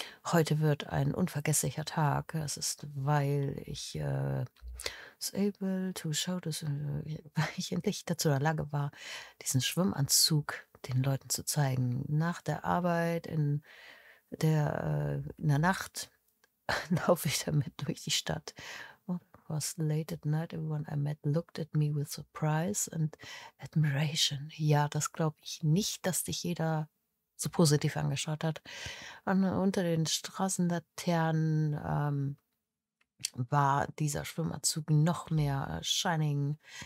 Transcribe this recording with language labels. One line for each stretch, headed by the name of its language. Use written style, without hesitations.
German: Heute wird ein unvergesslicher Tag. Es ist, weil ich
English: was able to show this,
German: weil ich endlich dazu in der Lage war, diesen Schwimmanzug den Leuten zu zeigen. Nach der Arbeit in der Nacht laufe ich damit durch die Stadt.
English: Was late at night, everyone I met looked at me with surprise and admiration.
German: Ja, das glaube ich nicht, dass dich jeder so positiv angeschaut hat. Und unter den Straßenlaternen war dieser Schwimmanzug noch mehr shining.